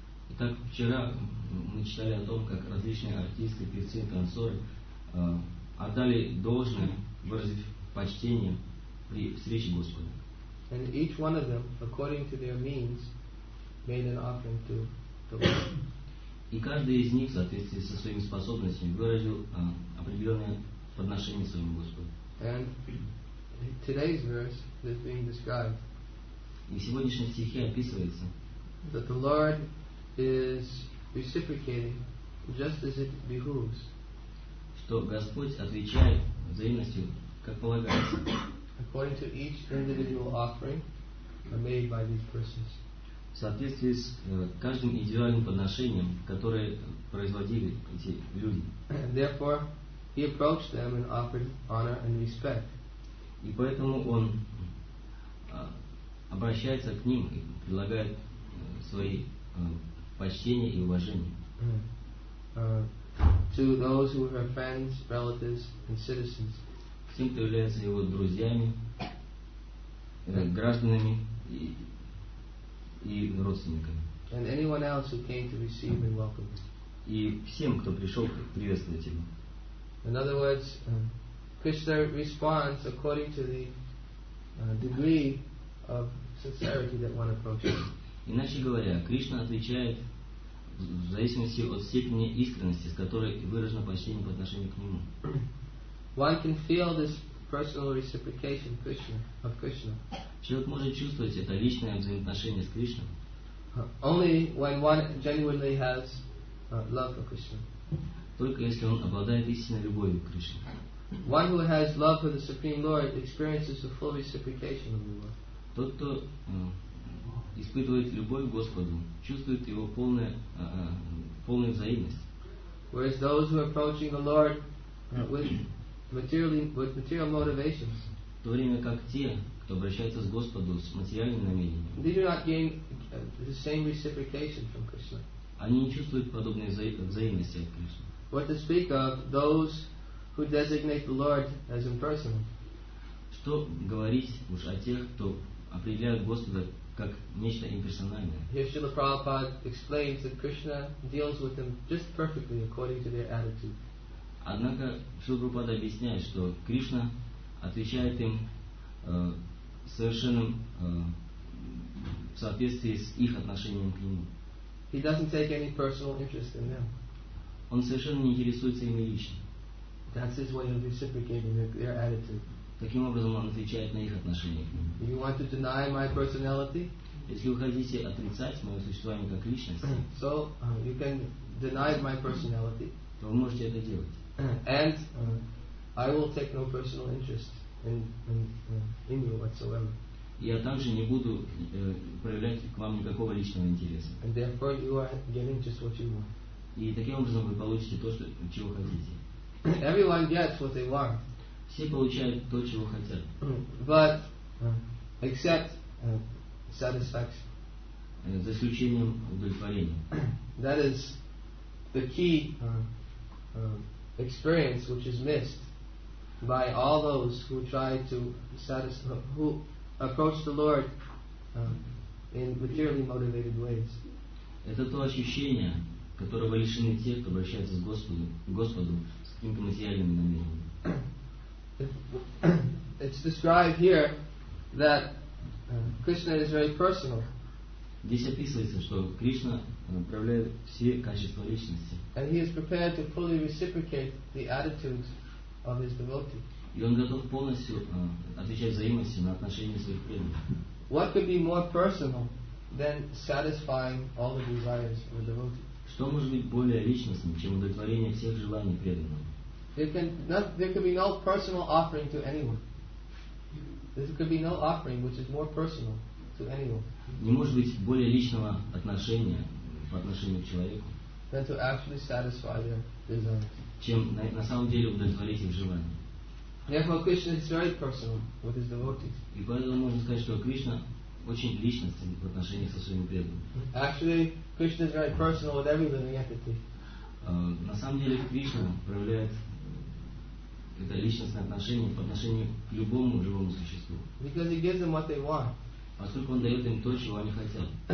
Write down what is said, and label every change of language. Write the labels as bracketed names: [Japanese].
[Russian] Итак, вчера мы читали о том, как различные артисты, певцы, танцоры отдали должное, выразив почтение при встрече Господа. [English] And each one of them, according to their means, made an offering to the Lord. [Russian] И каждый из них, в соответствии со своими способностями, выразил определенное подношение своему Господу. [English] And today's verse is being described. [Russian] И в сегодняшнем стихе описывается, [English] that the Lord is reciprocating just as it behooves. [Russian] Что Господь отвечает взаимностью, как полагается. [English] According to each individual offering made by these persons. [Russian] В соответствии с каждым индивидуальным подношением, которое производили эти люди. [English] Therefore, he approached them and offered honor and respect. [Russian] И поэтому он обращается к ним и предлагает свои почтения и уважения. [English] To those who are friends, relatives, and citizens. [Russian] Тем, кто является его друзьями, гражданами и родственниками. [English] And anyone else who came to receive and welcome him. [Russian] И всем, кто пришел приветствовать его. [English] In other words, Krishna responds according to the degree of sincerity that one approaches. [Russian] Иначе говоря, Кришна отвечает в зависимости от степени искренности, с которой выражено почтение по отношению к нему. [English] One can feel this personal reciprocation of Krishna. [Russian] Человек может чувствовать это личное взаимоотношение с Кришной. [English] Only when one genuinely has love for Krishna. [Russian] Только если он обладает истинной любовью к Кришне. [English] One who has love for the Supreme Lord experiences the full reciprocation of the Lord. [Russian] Тот, кто испытывает любовь к Господу, чувствует его полную взаимность. [English] Whereas those who are approaching the Lord with material motivations. [Russian] В то время как те, кто обращается с Господу с материальными намерениями. [English] They do not gain the same reciprocation from Krishna. [Russian] Они не чувствуют подобной взаимности от Кришны. [English] What to speak of those who designate the Lord as impersonal. [Russian] Что говорить уж о тех, кто определяет Господа как нечто имперсональное. [English] Here Srila Prabhupada explains that Krishna deals with them just perfectly according to their attitude. [Russian] Однако Шрила Прабхупада объясняет, что Кришна отвечает им совершенным в соответствии с их отношением к нему. [English] He doesn't take any personal interest in them. [Russian] Он совершенно не интересуется ими лично. [English] That's his way of reciprocating their attitude. [Russian] Таким образом, он отвечает на их отношение к нему. [English] You want to deny my personality? [Russian] Если вы хотите отрицать мое существование как личность, [English] so, you can deny my personality. [Russian] То вы можете это делать. [English] And I will take no personal interest in you whatsoever. [Russian] Я также не буду проявлять к вам никакого личного интереса. [English] And therefore you are getting just what you want. [Russian] И таким образом вы получите то, что чего хотите. [English] Everyone gets what they want. [Russian] Все получают то, чего хотят. [English] But except satisfaction. [Russian] За исключением удовлетворения. [English] That is the key. Experience which is missed by all those who try to satisfy, who approach the Lord in materially motivated ways. [Russian] Это то ощущение, которого лишены те, кто обращается к Господу, с каким-то материальным намерением. [English] It's described here that Krishna is very personal. [Russian] Здесь описывается, что Кришна проявляет все качества личности. [English] And he is prepared to fully reciprocate the attitudes of his devotee. [Russian] И он готов полностью отвечать взаимностью на отношения своих преданных. [English] What could be more personal than satisfying all the desires of a devotee? [Russian] Что может быть более личностным, чем удовлетворение всех желаний преданного? [English] There can be no personal offering to anyone. There could be no offering which is more personal to anyone. [Russian] Не может быть более личного отношения по отношению к человеку, [English] than to actually satisfy their desires. [Russian] Чем на самом деле удовлетворить их желания. [English] Therefore, Krishna is very personal with his devotees. [Russian] И поэтому можно сказать, что Кришна очень личностен в отношении со своими преданными. [English] Actually, Krishna is very personal with every living entity. [Russian] На самом деле Кришна проявляет это личностное отношение по отношению к любому живому существу. [English] Because he gives them what they want. [Russian] Поскольку он дает им то, чего они хотят.